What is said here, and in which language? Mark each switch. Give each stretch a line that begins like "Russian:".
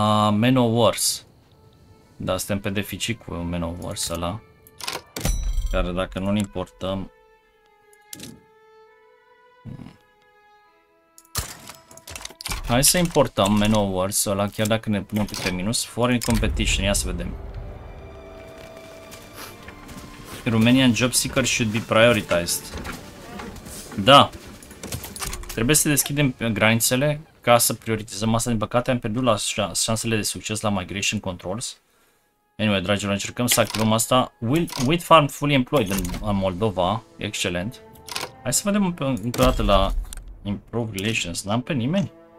Romanian: Manowars. Da, suntem pe deficit cu Manowars ăla. Dar dacă nu-l importăm... Hai să importăm Manowars ăla, chiar dacă ne punem pe minus,
English: foreign competition,
Romanian: ia să vedem.
English: Romanian job seeker should be prioritized.
Romanian: Da! Trebuie să deschidem granițele ca să prioritizăm asta. Din păcate am pierdut la șansele de succes la
English: migration controls.
Romanian: Anyway, dragilor, încercăm să activăm asta.
English: Wheat farm fully employed
Romanian: în Moldova. Excelent. Hai să vedem încă o dată la
English: improve relations.
Romanian: N-am pe nimeni.